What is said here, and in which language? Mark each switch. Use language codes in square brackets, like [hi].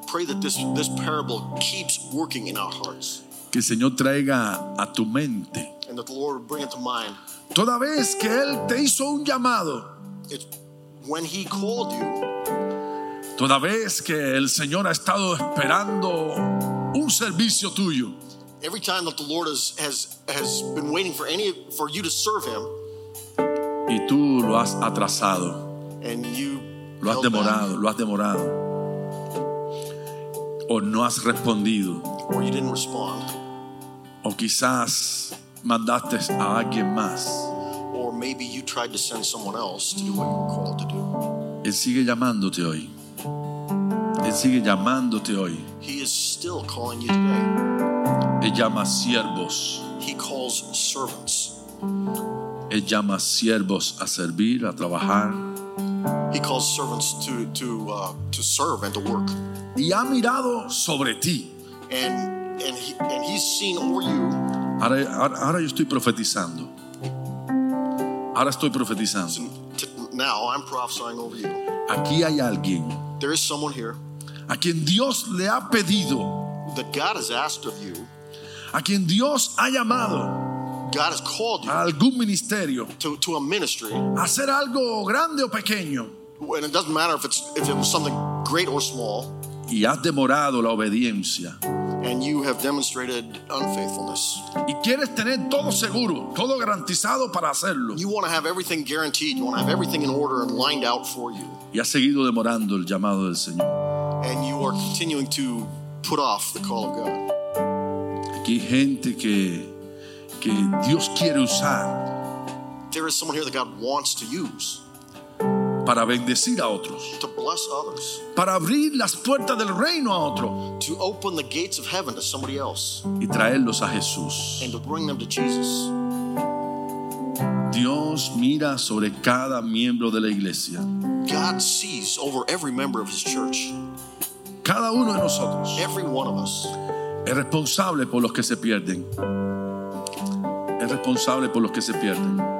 [en] Pray that this parable keeps working in our hearts. [es] Que el Señor traiga a tu mente. [en] And that the Lord bring it to mind. [es] Toda vez que Él te hizo un llamado. [en] When he called you. [es] Toda vez que el Señor ha estado esperando un servicio tuyo. [en] Every time that the Lord has been waiting for you to serve him. [es] Y tú lo has atrasado. [en] And you [es] lo has demorado, [en] back. [es] Lo has demorado. O no has respondido. [en] Or you didn't respond. [es] O quizás mandaste a alguien más. [en] Or maybe you tried to send someone else to do what you were called to do. [es] Él sigue llamándote hoy. Él sigue llamándote hoy. [en] He is still calling you today. [es] Él llama siervos. [en] He calls servants. [es] Él llama siervos a servir, a trabajar. [en] He calls servants to serve and to work. [es] Y ha mirado sobre ti. [en] And he's seen over you. [es] Ahora yo estoy profetizando. Ahora estoy profetizando. [en] Now I'm prophesying over you. [es] Aquí hay alguien. [en] There is someone here. [es] A quien Dios le ha pedido. [en] That God has asked of you. [es] A quien Dios ha llamado. [en] God has called you. [es] A algún ministerio. [en] To a ministry. [es] A hacer algo grande o pequeño. [en] And it doesn't matter if it was something great or small. [es] Y has demorado la obediencia. [en] And you have demonstrated unfaithfulness. [es] Y quieres tener todo seguro, todo garantizado para hacerlo. [en] You want to have everything guaranteed. You want to have everything in order and lined out for you. [es] Y has seguido demorando el llamado del Señor. [en] And you are continuing to put off the call of God. [es] Aquí hay gente que Dios quiere usar. [en] There is someone here that God wants to use. [es] Para bendecir a otros. [en] To bless others. [es] Para abrir las puertas del reino a otro. [en] To open the gates of heaven to somebody else. [es] Y traerlos a Jesús. [en] And to bring them to Jesus. [es] Dios mira sobre cada miembro de la iglesia. [en] God sees over every member of his church. [es] Cada uno de nosotros. [en] Every one of us. [es] Es responsable por los que se pierden. Es responsable por los que se pierden.